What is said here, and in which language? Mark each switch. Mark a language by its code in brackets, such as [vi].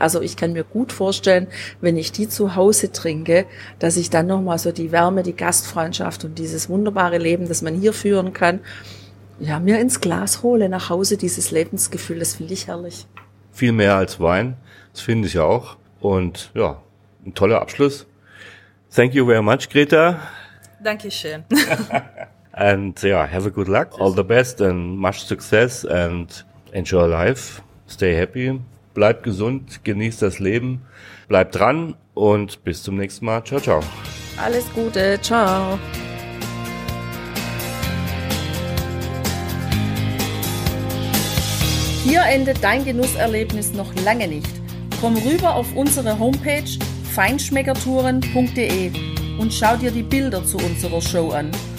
[de] Also ich kann mir gut vorstellen, wenn ich die zu Hause trinke, dass ich dann nochmal so die Wärme, die Gastfreundschaft und dieses wunderbare Leben, das man hier führen kann, ja, mir ins Glas hole nach Hause, dieses Lebensgefühl, das finde ich herrlich. Viel mehr als Wein, das finde ich auch. Und ja, ein toller Abschluss. [en] Thank you very much, Greta. [de] Dankeschön. [en] And yeah, have a good luck. All the best and much success and enjoy life. Stay happy. [de] Bleib gesund, genieß das Leben. Bleib dran und bis zum nächsten Mal. [it] Ciao, ciao. [de] Alles Gute. Ciao. Hier endet dein Genusserlebnis noch lange nicht. Komm rüber auf unsere Homepage feinschmeckertouren.de und schau dir die Bilder zu unserer Show an.